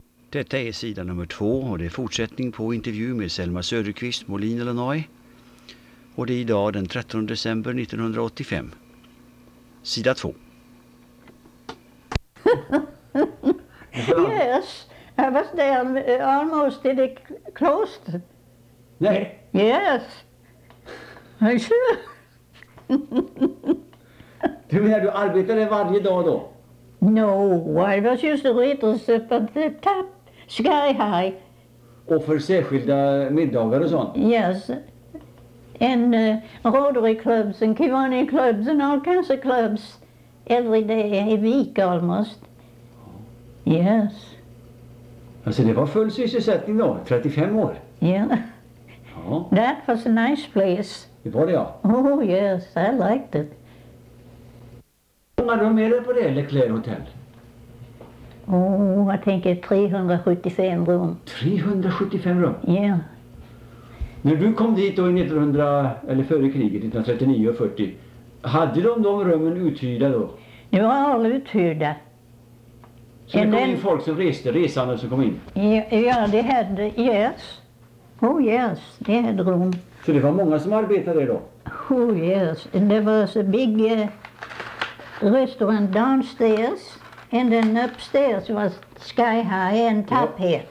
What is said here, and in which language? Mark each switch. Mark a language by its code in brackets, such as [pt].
[sv] Detta är sida nummer 2 och det är fortsättning på intervju med Selma Söderqvist, Molin, Illinois. Och det är idag den 13 december 1985. Sida 2. [en] Yes, I was there almost in the closed. [sv] Nej. [en] Yes. I sure. [sv] Du menar du arbetade varje dag då? [en] No, I was just a waitress up at the top, sky high. [sv] Och för särskilda middagar och sånt? [en] Yes. And Rotary clubs and Kiwani clubs and all kinds of clubs every day, a week almost. Yes. [sv] Alltså det var full sysselsättning då, 35 år. [en] Yeah. [sv] Ja. [en] That was a nice place. [sv] Det var det, ja. [en] Oh yes, I liked it. [sv] Hur många rum är det på det, Leclerc Hotel? [en] Oh, I think it's 375 [sv] rum. 375 rum? [en] Yeah. [sv] När du kom dit då i 1900, eller före kriget, 1939 och 40, hade de rummen uthyrda då? De var alla uthyrda. Så and det kom in folk som reste, resande som kom in? Ja, de hade, yes. Oh yes, de hade rum. Så det var många som arbetade då? [en] Oh yes, and there was a big restaurant downstairs, and then upstairs was sky high and top hat.